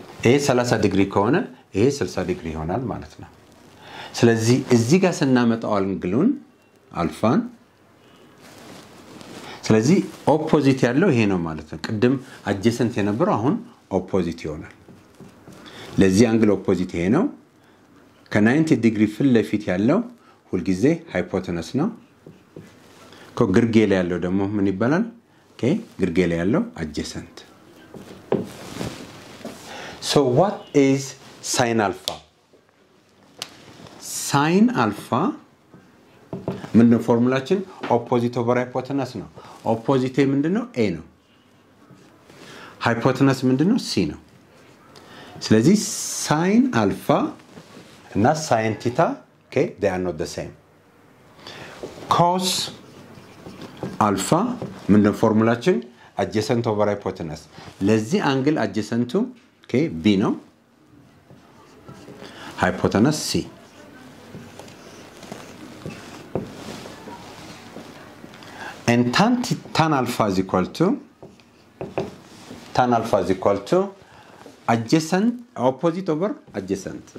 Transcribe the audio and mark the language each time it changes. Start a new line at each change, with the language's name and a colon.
Amharic: A 30 degree ከሆነ A 60 degree ይሆናል ማለት ነው። ስለዚህ እዚህ ጋር ስናመጣው አንግሉን alpha ስለዚህ opposite ያለው ይሄ ነው ማለት ነው። ቀደም adjacent የነበረው አሁን opposite ይሆናል። ለዚህ አንግል opposite ይሄ ነው። ከ90 degree ፍል ለፊት ያለው ሁልጊዜ ሃይፖተነስ ነው። ከግርጌ ላይ ያለው ደግሞ ምን ይባላል? ኦኬ ግርጌ ላይ ያለው አጀሰንት።
English: So what is sin alpha?
Amharic: Sin alpha ምንድነው ፎርሙላችን? ኦፖዚት ኦቨር ሃይፖተነስ ነው። ኦፖዚት ምንድነው? a ነው። ሃይፖተነስ ምንድነው? c ነው። ስለዚህ
English: sin alpha እና sin theta okay they are not the same.
Amharic: Cos alpha ምን ነው ፎርሙላችን?
English: adjacent over hypotenuse.
Amharic: ለዚህ አንግል adjacentቱ okay b ነው hypotenuse c.
English: and tan alpha is equal to adjacent opposite over adjacent.